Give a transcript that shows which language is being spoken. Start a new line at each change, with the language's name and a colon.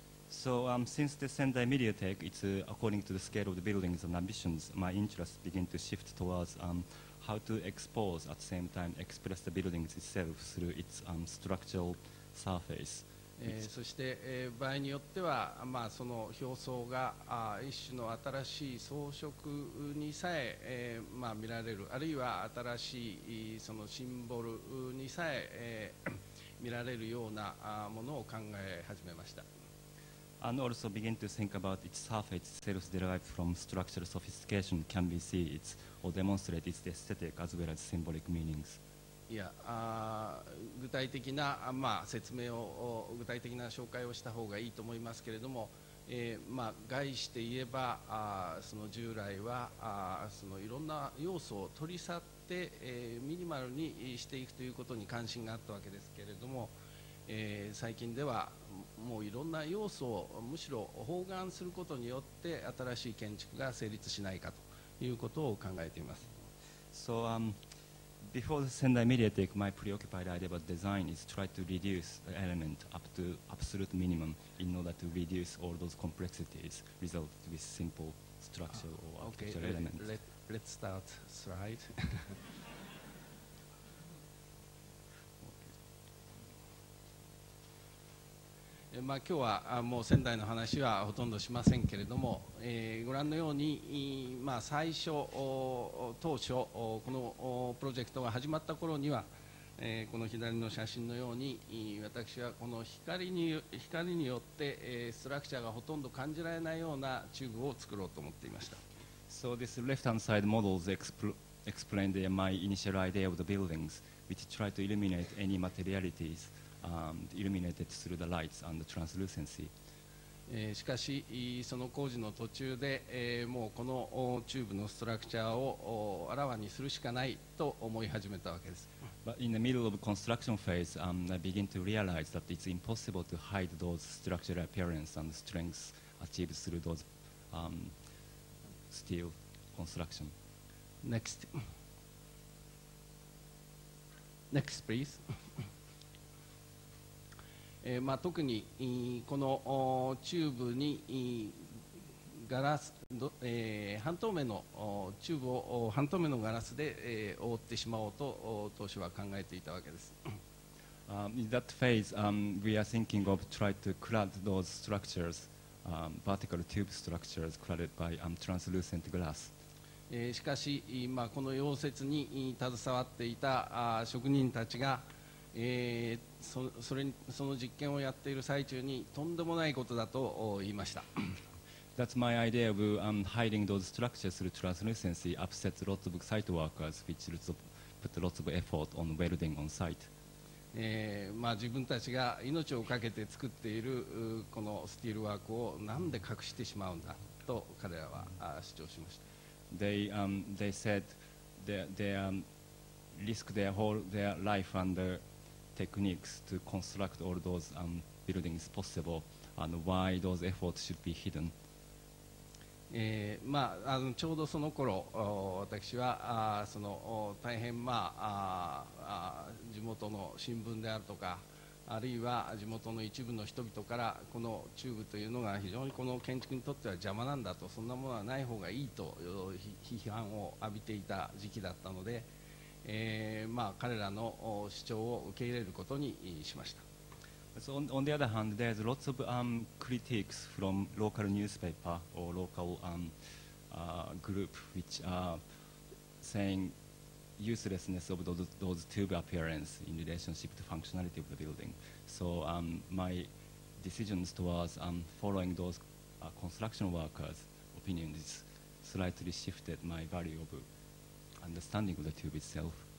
English: So, since the Sendai MediaTek, it's according to the scale of the buildings and ambitions, my interest begin to shift towards how to expose at the same time express the buildings itself through its structural surface.
Japanese: そして、場合によっては、まあ、その表層が一種の新しい装飾にさええーまあ、見られる、あるいは新しいそのシンボルにさええー、見られるようなものを考え始めました。
English: And also begin to think about its surface itself derived from structural sophistication can be see its or demonstrate its aesthetic as well as symbolic meanings.
Japanese: Yeah, 具体的な、まあ、説明を具体的な紹介をした方がいいと思いますけれども、まあ、概して言えば、その従来は、そのいろんな要素を取り去って、ミニマルにしていくということに関心があったわけですけれども。最近ではもういろんな要素をむしろ包含することによって新しい建築が成立しないかということを考えています。
English: So, before the Sendai MediaTek, my preoccupied idea about design is try to reduce the element up to absolute minimum in order to reduce all those complexities result with simple structural or architectural elements. Let's start slide.
Japanese: まあ、今日はもう仙台の話はほとんどしませんけれども、ご覧のように、まあ、最初当初このプロジェクトが始まった頃には、この左の写真のように私はこの光によって、ストラクチャーがほとんど感じられないようなチューブを作ろうと思っていました。
English: So this left hand side models explain the, my initial idea of the buildings which try to illuminate any materialitiesIlluminated through the lights and the translucency.
Japanese: しかし、その工事の途中で、もうこのチューブのストラクチャーをあらわにするしかないと思い始めたわけです。
English: But in the middle of construction phase, I begin to realize that it's impossible to hide those structural appearance and strengths achieved through those steel construction. Next, please.
Japanese: まあ、特にこのチューブにガラス、半透明のチューブを半透明のガラスで覆ってしまおうと当初は考えていたわけです。
English: In that phase, we are thinking of try to clad those structures, vertical tube structures cladded by translucent glass.
Japanese: しかし、まあ、この溶接に携わっていた職人たちが、その実験をやっている最中にとんでもないことだと言いました。
English: That's my idea of hiding those structures through translucency upsets lots of site workers which put lots of effort on welding on site.
Japanese: まあ、自分たちが命を懸けて作っているこのスティールワークをなんで隠してしまうんだと彼らは主張しました。
English: They said they risk their whole their life and theTechniques to construct all those buildings possible, and why those efforts should be hidden.
Japanese: まあ、あのちょうどその頃私はその大変、まあ、地元の新聞であるとかあるいは地元の一部の人々からこの中部というのが非常にこの建築にとっては邪魔なんだとそんなものはない方がいいと批判を浴びていた時期だったので、まあ、彼らの主張を受け入れることにしました。
English: So on the other hand, there's lots of critiques from local newspaper or local group which are saying uselessness of those tube appearance in relationship to functionality of the building. So my decisions towards following those construction workers' opinions slightly shifted my value of understanding of the tube itself.